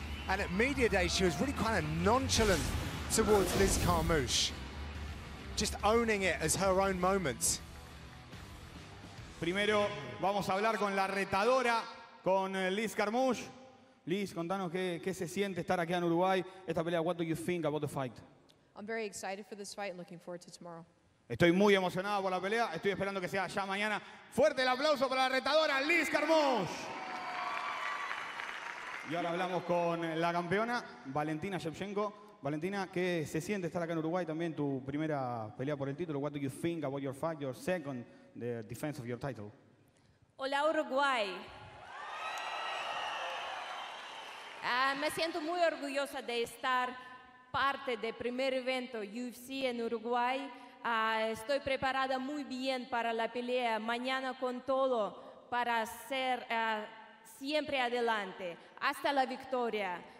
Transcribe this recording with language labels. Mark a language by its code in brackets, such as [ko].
[en] And at Media Day, she was really kind of nonchalant towards Liz Carmouche, just owning it as her own moment. [es] Primero, vamos a hablar con la retadora, con Liz Carmouche. Liz, contanos qué se siente estar aquí en Uruguay. Esta pelea, [en] what do you think about the fight? I'm very excited for this fight and looking forward to tomorrow. [es] Estoy muy emocionado por la pelea. Estoy esperando que sea ya mañana. Fuerte el aplauso para la retadora, Liz Carmouche. Y ahora hablamos con la campeona, Valentina Shevchenko. Valentina, ¿qué se siente estar acá en Uruguay también? Tu primera pelea por el título. [en] What do you think about your fight, your second, the defense of your title? [es] Hola, Uruguay. Me siento muy orgullosa de estar parte del primer evento UFC en Uruguay. Estoy preparada muy bien para la pelea mañana con todo para ser siempre adelante hasta la victoria.